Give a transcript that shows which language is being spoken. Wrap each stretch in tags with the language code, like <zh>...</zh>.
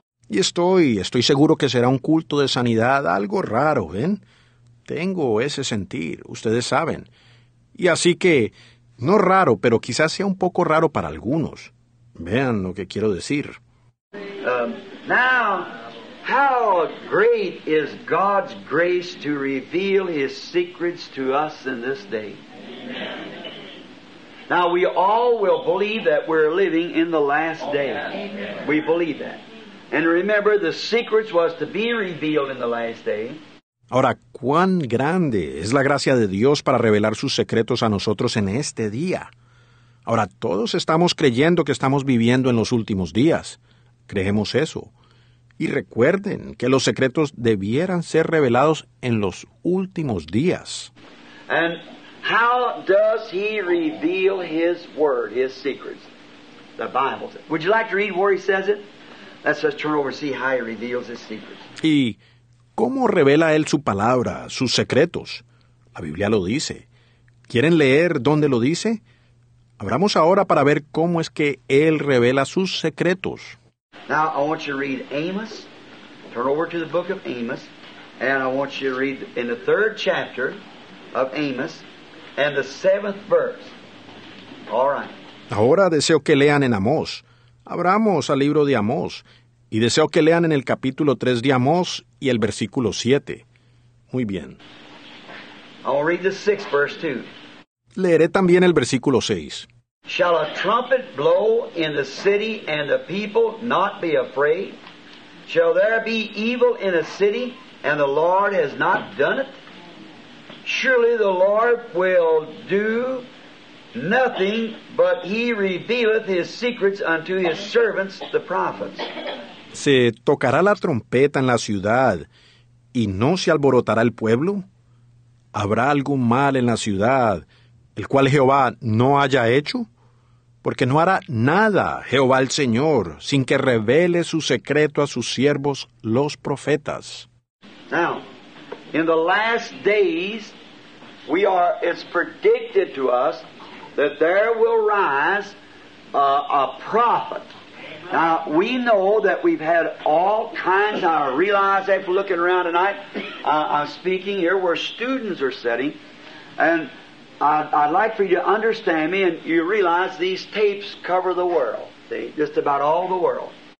<es>Y estoy seguro que será un culto de sanidad, algo raro, ¿ven? Tengo ese sentir, ustedes saben. Y así que, no raro, pero quizás sea un poco raro para algunos. Vean lo que quiero decir.</es> <en>Now, how great is God's grace to reveal His secrets to us in this day? Now, we all will believe that we're living in the last day. We believe that. And remember, the secrets was to be revealed in the last day.</en> <es>Ahora, ¿cuán grande es la gracia de Dios para revelar sus secretos a nosotros en este día? Ahora, todos estamos creyendo que estamos viviendo en los últimos días. Creemos eso. Y recuerden que los secretos debieran ser revelados en los últimos días.</es> <en>And how does he reveal his word, his secrets? The Bible says. Would you like to read where he says it? Let's turn over and see how he reveals his secrets.</en> <es>¿Y cómo revela él su palabra, sus secretos? La Biblia lo dice. ¿Quieren leer dónde lo dice? Abramos ahora para ver cómo es que él revela sus secretos.</es> <en>Now I want you to read Amos. Turn over to the book of Amos. And I want you to read in the third chapter of Amos and the seventh verse. All right.</en> <es>Ahora deseo que lean en Amós. Abramos al libro de Amós. Y deseo que lean en el capítulo 3 de Amós y el versículo 7. Muy bien.</es> <en>I'll read the sixth verse too.</en> <es>Leeré también el versículo 6.</es> <en>Shall a trumpet blow in the city and the people not be afraid? Shall there be evil in a city and the Lord has not done it? Surely the Lord will do nothing, but he revealeth his secrets unto his servants, the prophets.</en> <es>¿Se tocará la trompeta en la ciudad y no se alborotará el pueblo? ¿Habrá algún mal en la ciudad, el cual Jehová no haya hecho? Porque no hará nada Jehová el Señor sin que revele su secreto a sus siervos, los profetas.</es> <en>Now, in the last days, it's predicted to us that there will rise a prophet. Now, we know that we've had all kinds, I realize that for looking around tonight, I'm speaking here where students are sitting, and I'd like for you to understand me, and you realize these tapes cover the world, see, just about all the world.</en>